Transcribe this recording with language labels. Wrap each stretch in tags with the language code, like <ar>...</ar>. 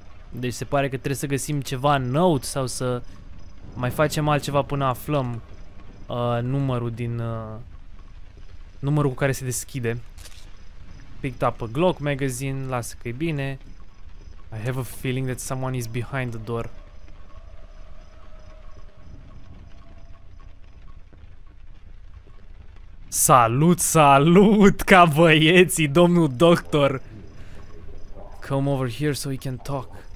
<ro>Deci se pare că trebuie să găsim ceva note sau să mai facem altceva până aflăm numărul din numărul cu care se deschide.</ro> <en>Picked up a Glock magazine,</en> <ro>lasă că e bine.</ro> <en>I have a feeling that someone is behind the door.</en> <ro>Salut, salut, ca băieții, domnul doctor.</ro> <en>Come over here so we can talk.</en>